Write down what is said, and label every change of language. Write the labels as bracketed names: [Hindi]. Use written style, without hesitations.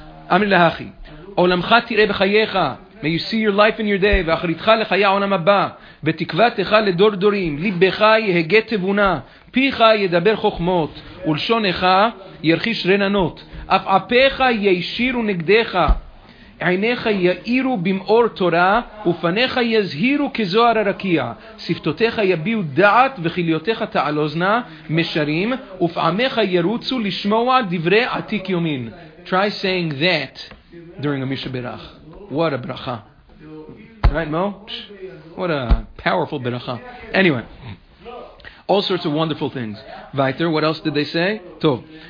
[Hebrew] Amri Lehachi, Olamcha tireh b'chayecha, [English] may you see your life in your day, [Hebrew] v'achritcha l'chaya olam haba, v'tikva techa ledor dorim, libecha yehege tevuna, picha yedaber chokhmot, ulshonecha yerchish renanot, af apecha yeishiru negdecha, עיניך יאירו במאור תורה, ופניך יזהירו כזוהר הרקיע. שפתותיך יביעו דעת וכליותיך תעלוזנה משרים, ופעמיך ירוצו לשמוע דברי עתיק יומין. [English] Try saying that during a Misha Berach. What a bracha. Right, Mo? What a powerful bracha. Anyway. All sorts of wonderful things. Weiter, what else did they say? Tov.